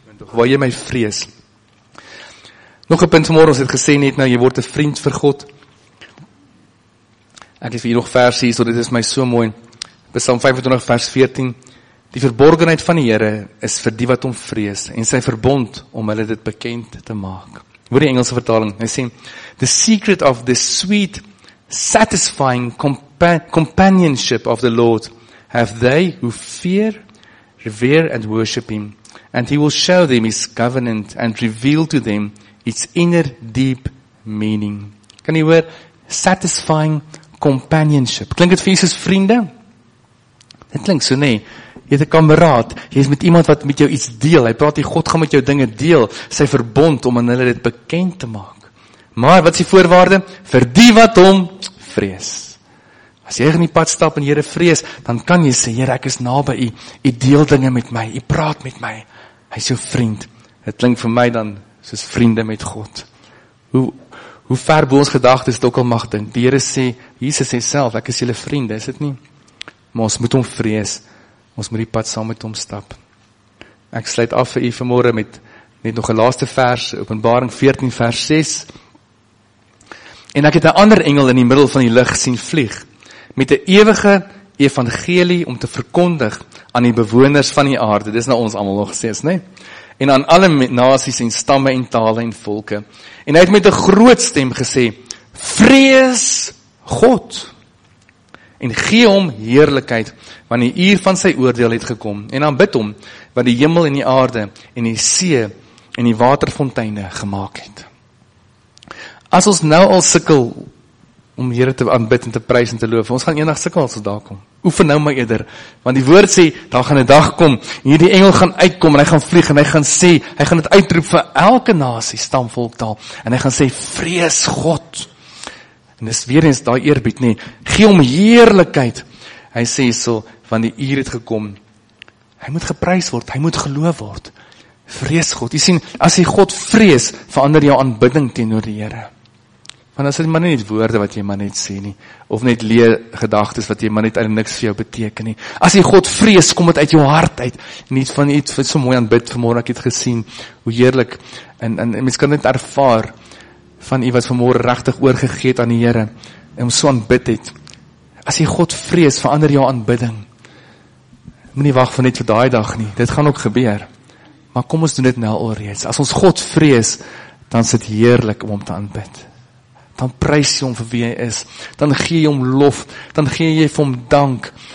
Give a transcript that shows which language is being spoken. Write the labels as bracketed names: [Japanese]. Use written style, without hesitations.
[Afrikaans] Waar jy my vrees? Nog een punt vanmorgen, ons het gesê net nou, jy word 'n vriend vir God. Ek het vir jy nog vers hier, so dit is my so mooi. Psalm 25 vers 14, die verborgenheid van die Here is vir die wat om vrees, en sy verbond om hulle dit bekend te maak. Hoor die Engelse vertaling, hy sê, [English] the secret of the sweet satisfying companionship of the Lord have they who fear, revere and worship him, and he will show them his covenant and reveal to them its inner deep meaning. [Afrikaans] Kan jy hoor? [English] Satisfying companionship. [Afrikaans] Klink het vir Jesus vriende? Dit klink so, nee. Jy het 'n kameraad, jy is met iemand wat met jou iets deel, hy praat die God gaan met jou dinge deel, sy verbond om aan hulle dit bekend te maak. Maar wat is die voorwaarde? Vir die wat hom vrees. As jy in die pad stap en Here vrees, dan kan jy sê, Here, ek is naby u. U deel dinge met my, u praat met my. Hy is jou vriend. Dit klink vir my dan soos vriende met God. Hoe ver bo ons gedagtes dit ook al mag dink. Die Here sê, Jesus sê self, ek is julle vriend, is dit nie? Maar ons moet hom vrees. Ons moet die pad saam met hom stap. Ek sluit af vir u vanmôre met net nog 'n laaste vers, Openbaring 14 vers 6. En ek het 'n ander engel in die middel van die lig sien vlieg, met 'n ewige evangelie om te verkondig aan die bewoners van die aarde. Dis nou ons allemaal nog gesês, nê? En aan alle nasies en stamme en tale en volke. En hy het met 'n groot stem gesê, vrees God en gee hom heerlikheid, want die uur van sy oordeel het gekom. En aanbid hom, wat die hemel en die aarde en die see en die waterfonteine gemaak het. As ons nou al sukkel om Here te aanbid en te prys en te loof, ons gaan eendag sukkel as ons daar kom. Oefen nou maar eerder, want die woord sê, daar gaan 'n dag kom, hierdie engel gaan uitkom, en hy gaan vlieg, en hy gaan sê, hy gaan dit uitroep vir elke nasie, stam, volk, taal, en hy gaan sê, vrees God. En dis weer eens daai eerbied, nee, gee hom heerlikheid. Hy sê so, want die uur het gekom, hy moet geprys word, hy moet geloof word. Vrees God. Jy sien, as jy God vrees, verander jou aanbidding teenoor die Here. Want as dit maar nie woorde wat jy maar net sê nie, of net leë gedagtes wat jy maar net eintlik niks vir jou beteken nie. As jy God vrees, kom dit uit jou hart uit. Nie van iets wat so mooi aanbid vanmôre ek het gesien hoe heerlik en mens kan dit ervaar van u wat vanmôre regtig oorgegee het aan die Here en hom so aanbid het. As jy God vrees, verander jou aanbidding. Moenie wag van net vir daai dag nie. Dit gaan ook gebeur. Maar kom ons doen dit nou al reeds. As ons God vrees, dan is dit heerlik om hom te aanbid. Dan prys jy hom vir wie hy is. Dan gee jy hom lof. Dan gee jy vir hom dank.